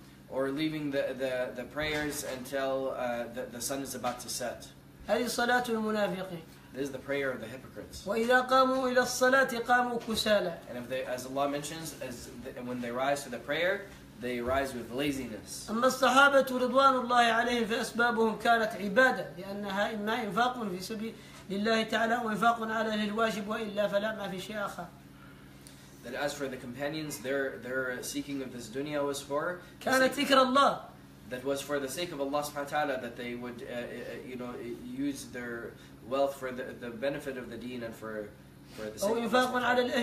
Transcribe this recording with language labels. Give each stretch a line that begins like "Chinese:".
English: Or leaving the prayers until the sun is about to set.
Arabic: هذه صلاة المنافقين.
English: This is the prayer of the hypocrites.
Arabic: وإذا قاموا إلى الصلاة قاموا كسالى.
English: And if they, as Allah mentions, when they rise to the prayer, they rise with laziness.
Arabic: أما الصحابة رضوان الله عليهم فأسبابهم كانت عبادة، لأنها إما إنفاق في سبيل الله تعالى وإنفاق على الواجب وإلا فلا ما في شيء آخر.
English: That as for the companions, their seeking of this dunya was for.
Arabic: كانت ذكر الله.
English: That was for the sake of Allah subhanahu wa ta'ala, that they would use their wealth for the benefit of the deen and for the sake of Allah.